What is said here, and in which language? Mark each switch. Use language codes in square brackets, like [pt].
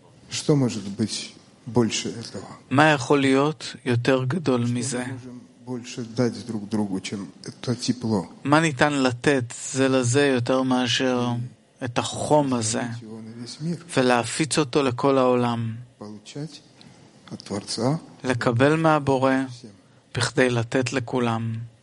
[ru] Что может быть больше этого? [he] מה יכול להיות יותר גדול מזה? [ru] Больше дать друг другу, чем это тепло. [he] מה ניתן לתת זה לזה יותר מאשר את החום הזה? ולהפיץ אותו לכל העולם. [ru] Получать от Творца. [he] לקבל מהבורא, בכדי לתת לכולם.